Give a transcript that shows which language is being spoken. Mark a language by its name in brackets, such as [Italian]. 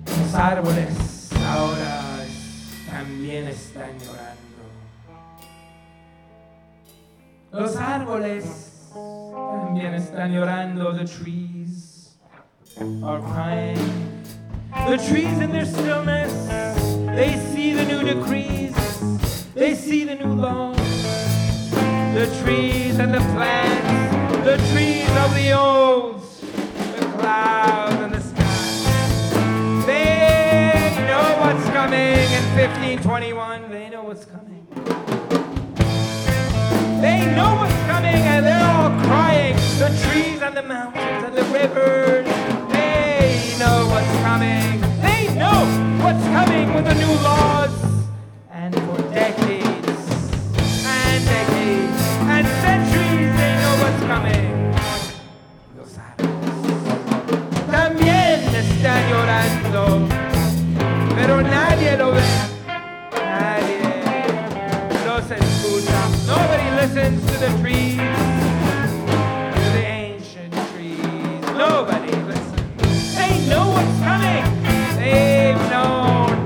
[Spanish] los árboles ahora también están llorando. Los árboles también están llorando. [English] The trees are crying. The trees in their stillness, they see the new decrees. They see the new laws. The trees and the plants, the trees of the old, the clouds and the sky. They know what's coming in 1521. They know what's coming. They know what's coming and they're all crying. The trees and the mountains and the rivers, they know what's coming. They know what's coming with the new laws. And for decades and decades and centuries, they know what's coming. [Spanish] Los árboles también están llorando, pero nadie lo ve. Nadie los escucha. [English] Nobody listens to the trees, to the ancient trees. Nobody listens. They know what's coming. They've known.